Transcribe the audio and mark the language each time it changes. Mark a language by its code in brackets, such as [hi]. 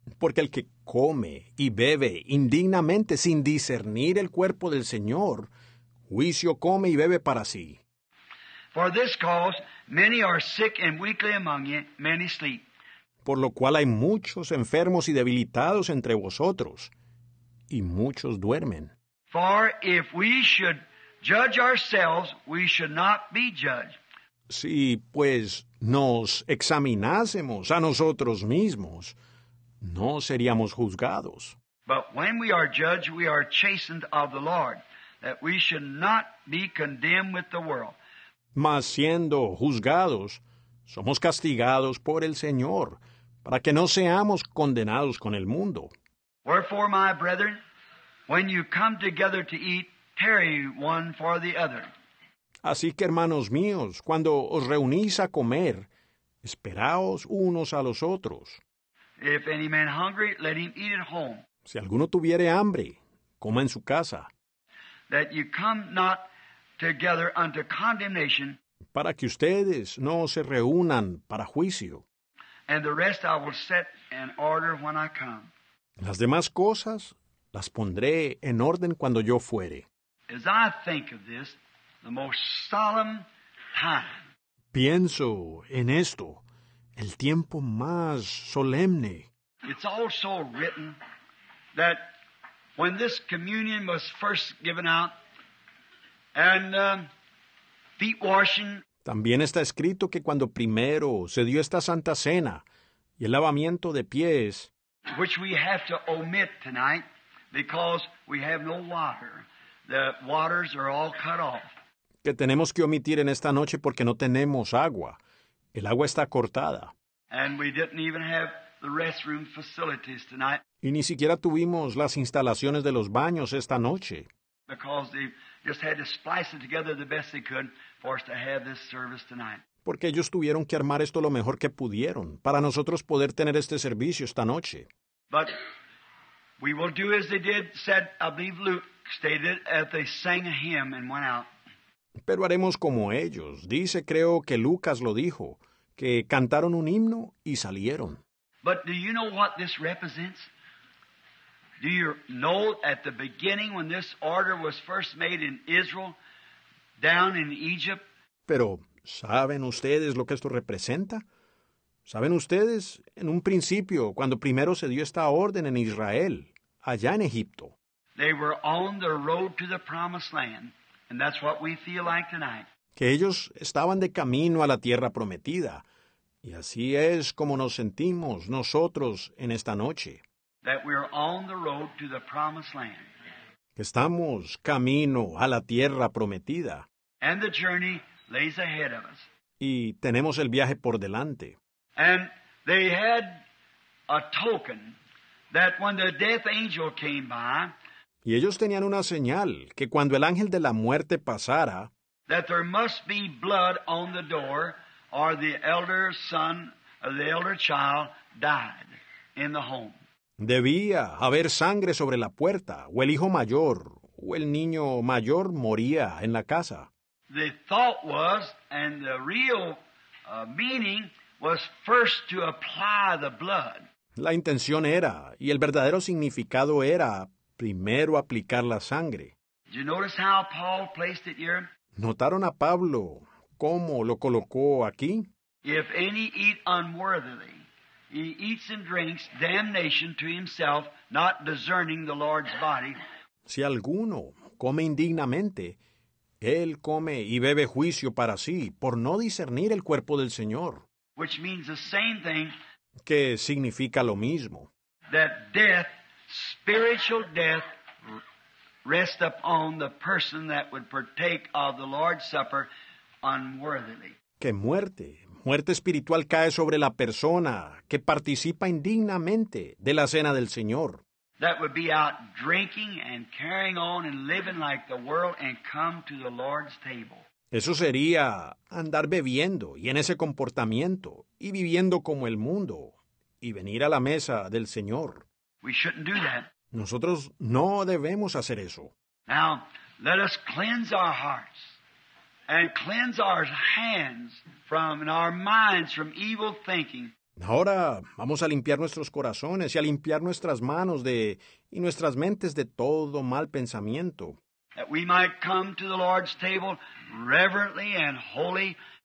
[es] Porque el que come y bebe indignamente sin discernir el cuerpo del Señor, juicio come y bebe para sí. [en] For this cause, many are sick and weakly among you, many sleep. [es] Por lo cual hay muchos enfermos y debilitados entre vosotros, y muchos duermen. [en] For if we should judge ourselves, we should not be judged. [es] Si, pues, nos examinásemos a nosotros mismos, no seríamos juzgados. [en] But when we are judged, we are chastened of the Lord, that we should not be condemned with the world. [es] Mas siendo juzgados, somos castigados por el Señor, para que no seamos condenados con el mundo. [en] Wherefore, my brethren, when you come together to eat, tarry one for the other. [es] Así que, hermanos míos, cuando os reunís a comer, esperaos unos a los otros. [en] If any man hungry, let him eat at home. [es] Si alguno tuviere hambre, coma en su casa. [en] That you come not together unto condemnation, [es] para que ustedes no se reúnan para juicio. [en] And the rest I will set in order when I come. [es] Las demás cosas las pondré en orden cuando yo fuere. [en] As I think of this, the most solemn time. [es] Pienso en esto, el tiempo más solemne. [en] It's also written that when this communion was first given out, and feet washing. [es] También está escrito que cuando primero se dio esta santa cena y el lavamiento de pies, [en] which we have to omit tonight because we have no water. The waters are all cut off. [es] Que tenemos que omitir en esta noche porque no tenemos agua. El agua está cortada. [en] And we didn't even have the restroom facilities tonight. [es] Y ni siquiera tuvimos las instalaciones de los baños esta noche. [en] Because they just had to splice it together the best they could for us to have this service tonight. [es] Porque ellos tuvieron que armar esto lo mejor que pudieron para nosotros poder tener este servicio esta noche. [en] But we will do as they did, said, I believe Luke stated, as they sang a hymn and went out. [es] Pero haremos como ellos. Dice, creo que Lucas lo dijo, que cantaron un himno y salieron. [en] But do you know what this represents? Do you know at the beginning when this order was first made in Israel, down in Egypt? [es] Pero, ¿saben ustedes lo que esto representa? ¿Saben ustedes, en un principio, cuando primero se dio esta orden en Israel, allá en Egipto? [en] They were on the road to the promised land, and that's what we feel like tonight. [es] Que ellos estaban de camino a la tierra prometida, y así es como nos sentimos nosotros en esta noche. [en] That we are on the road to the promised land. [es] Que estamos camino a la tierra prometida. [en] And the journey lays ahead of us. [es] Y tenemos el viaje por delante. [en] And they had a token that when the death angel came by. [es] Y ellos tenían una señal que cuando el ángel de la muerte pasara. [en] That there must be blood on the door or the elder son or the elder child died in the home. [es] Debía haber sangre sobre la puerta, o el hijo mayor, o el niño mayor moría en la casa. [en] The thought was, and the real meaning, was first to apply the blood. [es] La intención era, y el verdadero significado era, primero aplicar la sangre. [en] Did you notice how Paul placed it here? [es] ¿Notaron a Pablo cómo lo colocó aquí? [en] If any eat unworthily. He eats and drinks damnation to himself, not discerning the Lord's body. [es] Si alguno come indignamente, él come y bebe juicio para sí, por no discernir el cuerpo del Señor. [en] Which means the same thing. [es] Que significa lo mismo. [en] That death, spiritual death, rest upon the person that would partake of the Lord's Supper unworthily. [es] ¡Qué muerte! Muerte espiritual cae sobre la persona que participa indignamente de la cena del Señor. [en] That would be out drinking and carrying on and living like the world and come to the Lord's table. [es] Eso sería andar bebiendo y en ese comportamiento y viviendo como el mundo y venir a la mesa del Señor. [en] We shouldn't do that. [es] Nosotros no debemos hacer eso. [en] Now, let us cleanse our hearts and cleanse our hands from and our minds from evil thinking. [es] Ahora vamos a limpiar nuestros corazones y a limpiar nuestras manos de y nuestras mentes de todo mal pensamiento. [en] That we might come to the Lord's table reverently and holy.